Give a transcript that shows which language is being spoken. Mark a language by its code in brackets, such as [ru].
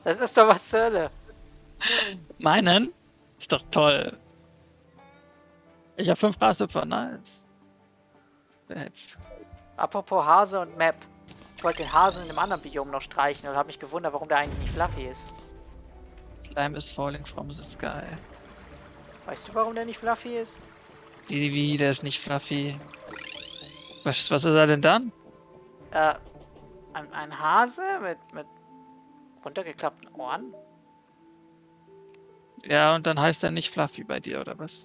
[de] Das ist doch was zur Hölle. Meinen? Ist doch toll. Ich habe 5 Grashüpfer, nice. Jetzt. Apropos Hase und Map. Ich wollte den Hasen in dem anderen Biom noch streichen und habe mich gewundert, warum der eigentlich nicht fluffy ist. [en] Slime is falling from the sky. [de] Weißt du, warum der nicht fluffy ist? Wie, der ist nicht fluffy. Was ist er denn dann? Ein Hase mit runtergeklappten Ohren? Ja, und dann heißt er nicht Fluffy bei dir, oder was?